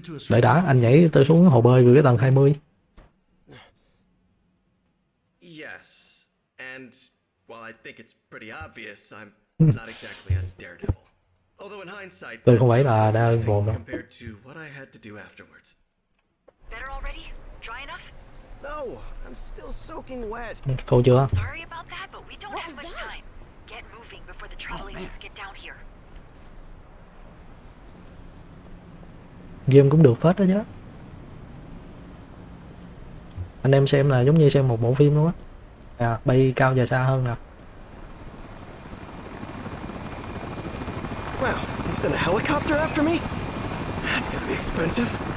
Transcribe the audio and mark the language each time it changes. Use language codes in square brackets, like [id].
[vi] Đợi đã, anh nhảy tới xuống hồ bơi gửi cái tầng 20. [en] Yes, and while I think it's pretty obvious, I'm not exactly a daredevil. Although in hindsight, [vi] tôi không phải là đa ơn vồn đâu. [en] Compared to what I had to do afterwards. Better already? Dry enough? No, I'm still soaking wet. [vi] Cô chưa? [en] Sorry about that, but we don't have much time. Get moving before the travel agents get down here. [vi] Game cũng được phết đó chứ. Anh em xem là giống như xem một bộ phim luôn á. À, bay cao và xa hơn nè. [en] Wow, he sent a helicopter after me? That's gonna be expensive.